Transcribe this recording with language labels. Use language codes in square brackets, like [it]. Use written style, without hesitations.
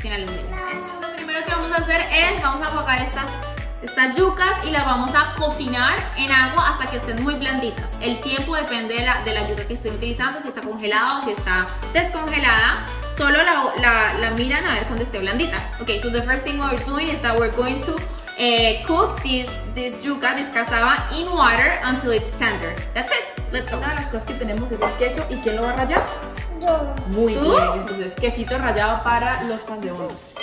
[es] Sin aluminio. Eso. Lo primero que vamos a hacer es, vamos a enfocar estas yucas y las vamos a cocinar en agua hasta que estén muy blanditas. El tiempo depende de la yuca que estén utilizando, si está congelada o si está descongelada. Solo la miran a ver cuando esté blandita. [en] Ok, so the first thing we're doing is that we're going to cook this yuca, this cassava, in water until it's tender. That's it, let's go. [es] Una de las cosas que tenemos es el queso. ¿Y quién lo va a rallar? Yo. Muy bien, entonces quesito rallado para los pan de bonos.